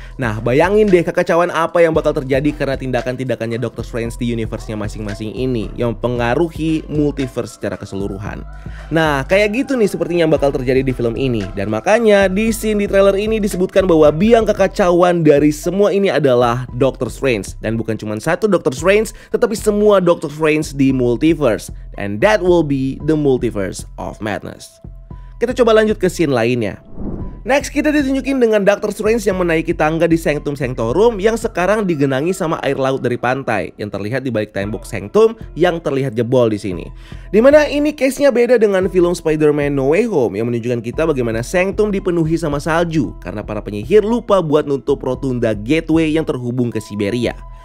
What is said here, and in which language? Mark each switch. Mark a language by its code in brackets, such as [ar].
[id] Nah, bayangin deh kekacauan apa yang bakal terjadi karena tindakan-tindakannya Doctor Strange di universe-nya masing-masing ini yang mempengaruhi multiverse secara keseluruhan. Nah, kayak gitu nih sepertinya yang bakal terjadi di film ini. Dan makanya di scene di trailer ini disebutkan bahwa biang kekacauan dari semua ini adalah Doctor Strange. Dan bukan cuma satu Doctor Strange, tetapi semua Doctor Strange di multiverse. [en] And that will be the multiverse of madness. [id] Kita coba lanjut ke scene lainnya. Next, kita ditunjukin dengan Doctor Strange yang menaiki tangga di Sanctum Sanctorum yang sekarang digenangi sama air laut dari pantai yang terlihat di balik tembok Sanctum yang terlihat jebol di sini. Dimana ini case-nya beda dengan film Spider-Man No Way Home yang menunjukkan kita bagaimana Sanctum dipenuhi sama salju karena para penyihir lupa buat nutup rotunda gateway yang terhubung ke Siberia.